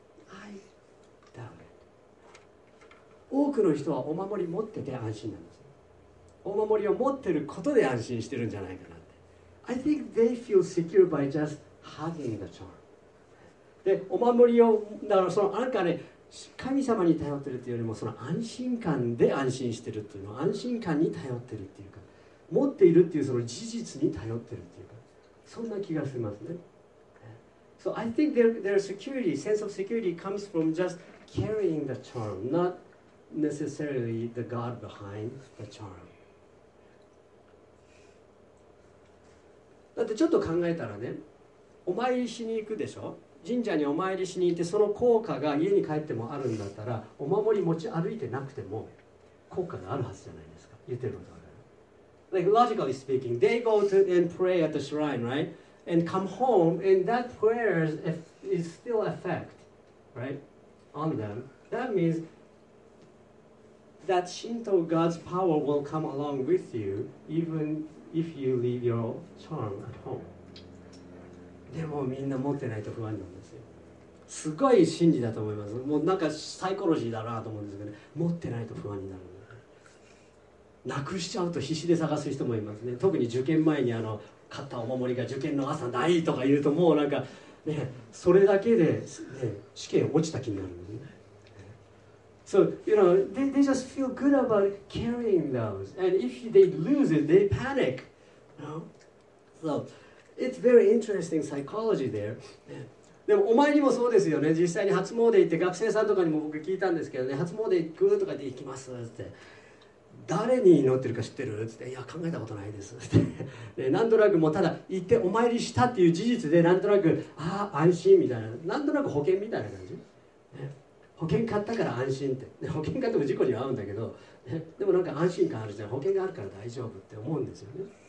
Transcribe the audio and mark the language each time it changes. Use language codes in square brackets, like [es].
[en] I doubt it. [ja] 多くの人はお守り持ってて安心なんです。お守りを持ってることで安心してるんじゃないかなって。 [en] I think they feel secure by justHugging the charm. [ja] で、お守りを、だからそのなんかね、神様に頼ってるっていうよりもその安心感で安心してるっていうの、安心感に頼ってるっていうか、持っているっていうその事実に頼ってるっていうか、そんな気がしますね。 [en] So I think their security, sense of security comes from just carrying the charm, not necessarily the God behind the charm. [ja] だってちょっと考えたらね、お参りしに行くでしょ。神社にお参りしに行って、その効果が家に帰ってもあるんだったら、お守り持ち歩いてなくても効果があるはずじゃないですか。言ってることは。 [en] Like logically speaking, they go to and pray at the shrine, right? And come home, and that prayer is still effect, right? On them. That means that Shinto God's power will come along with you, even if you leave your charm at home. [ja] でもみんな持ってないと不安なんですよ。すごい真理だと思います。もうなんかサイコロジーだなと思うんですけどね。持ってないと不安になる。なくしちゃうと必死で探す人もいますね。特に受験前にあの買ったお守りが受験の朝ないとか言うと、もうなんかね、それだけで、ね、試験落ちた気になるんですね。 [en] So you know they just feel good about carrying those, and if they lose it they panic, no? SoIt's very interesting psychology there. [ja] でもお参りもそうですよね。実際に初詣行って学生さんとかにも僕聞いたんですけどね、初詣行くとか言って行きますって。誰に祈ってるか知ってるって。いや考えたことないですって。で、なんとなくもうただ行ってお参りしたっていう事実でなんとなく、ああ安心みたいな、なんとなく保険みたいな感じ、ね、保険買ったから安心って。保険買っても事故に遭うんだけど、ね、でもなんか安心感あるじゃん、保険があるから大丈夫って思うんですよね。